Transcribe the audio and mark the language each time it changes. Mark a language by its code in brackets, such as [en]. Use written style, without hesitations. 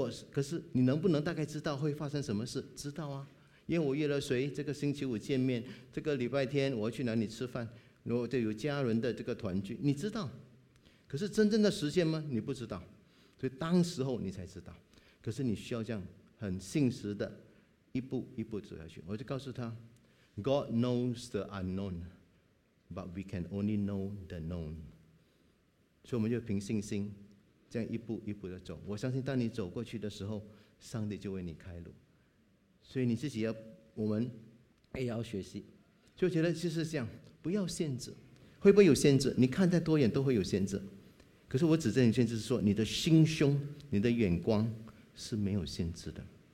[zh] 可是你能不能大概知道会发生什么事？知道啊，因为我约了谁这个星期五见面，这个礼拜天我去哪里吃饭，如果就有家人的这个团聚，你知道。可是真正的实现吗？你不知道，所以当时候你才知道。可是你需要这样很信实的一步一步走下去。我就告诉他， [en] God knows the unknown, but we can only know the known。 [zh] 所以我们就凭信心这样一步一步的走，我相信当你走过去的时候，上帝就为你开路。所以你自己要，我们也要学习，就觉得就是这样，不要限制。会不会有限制？你看在多远都会有限制，可是我指着你限制是说，你的心胸，你的眼光是没有限制的。